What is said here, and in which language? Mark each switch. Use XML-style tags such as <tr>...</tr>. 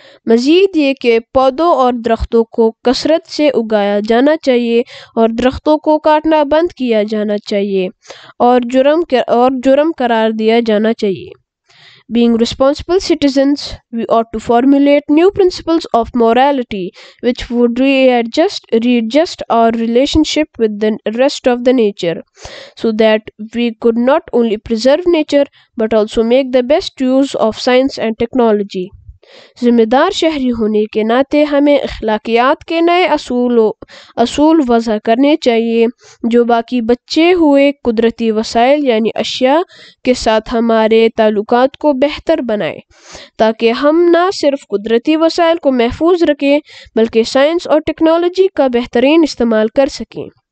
<ur>مزید یہ کہ پودوں اور درختوں کو کثرت سے اگایا جانا چاہیے اور درختوں کو کاٹنا بند کیا جانا چاہیے اور جرم قرار دیا جانا چاہیے.</ur> <en>Being responsible citizens, we ought to formulate new principles of morality which would readjust our relationship with the rest of the nature, so that we could not only preserve nature but also make the best use of science and technology.</en> <ur>ذمہ دار شہری ہونے کے ناطے ہمیں اخلاقیات کے نئے اصول وضع کرنے چاہیے جو باقی بچے ہوئے قدرتی وسائل یعنی اشیاء کے ساتھ ہمارے تعلقات کو بہتر بنائے، تاکہ ہم نہ صرف قدرتی وسائل کو محفوظ رکھیں بلکہ سائنس اور ٹیکنالوجی کا بہترین استعمال کر سکیں.</ur>